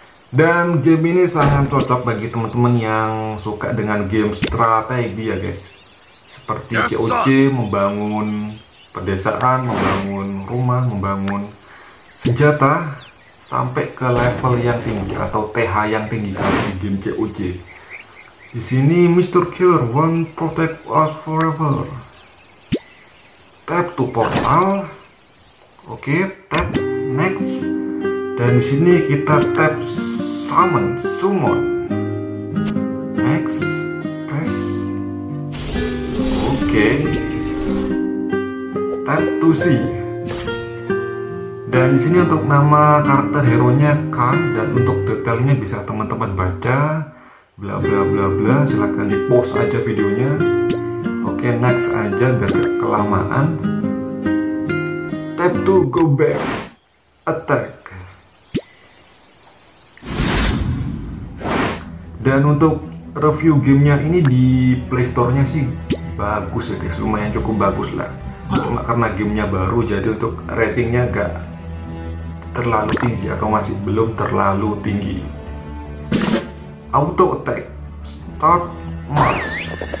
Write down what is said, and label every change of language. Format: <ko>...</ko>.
<id>Dan game ini sangat cocok bagi teman-teman yang suka dengan game strategi ya guys. Seperti COC, membangun pedesaan, membangun rumah, membangun senjata sampai ke level yang tinggi atau TH yang tinggi di game COC. Di sini Mr.</id> <en>Killer won't protect us forever. Tap to portal. Oke, tap next.</en> <id>Dan di sini kita tap summon, summon.</id> <en>Next, press. Oke. Tap to see.</en> <id>Dan di sini untuk nama karakter hero-nya Khan dan untuk detailnya bisa teman-teman baca. Bla bla bla bla. Silakan di pause aja videonya. Oke, next aja biar gak kelamaan.</id> <en>Tap to go back. Attack.</en> <id>Dan untuk review gamenya ini di playstore-nya sih bagus ya guys, lumayan cukup bagus lah. Cuma karena gamenya baru jadi untuk ratingnya gak terlalu tinggi atau masih belum terlalu tinggi.</id> <en>Auto attack, start march.</en>